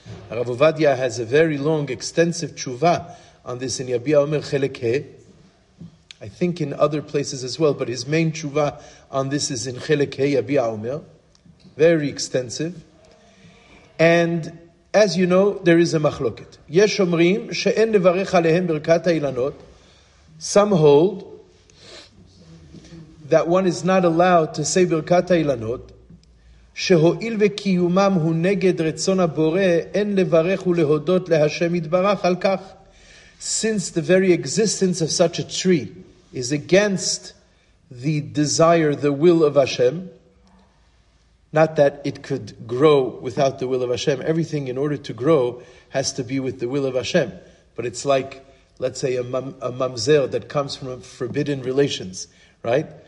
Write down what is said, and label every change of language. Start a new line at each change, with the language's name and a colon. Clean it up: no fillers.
English: Rav Ovadia has a very long, extensive tshuva on this in Yabia Omer Chelek He. I think in other places as well, but his main tshuva on this is in Chelek He, Yabia Omer. Very extensive. And as you know, there is a machloket.
Hebrew: Yesh omrim she'en nevarech aleihem Birkat Ha'ilanot.
English: Some hold that one is not allowed to say Birkat Ha'ilanot,
Hebrew: שהואיל וקיומם הוא נגד רצון הבורא, אין לברך ולהודות להשם יתברך על כך.
English: Since the very existence of such a tree is against the desire, the will of Hashem, not that it could grow without the will of Hashem, everything in order to grow has to be with the will of Hashem. But it's like, let's say, a mamzer that comes from forbidden relations, right?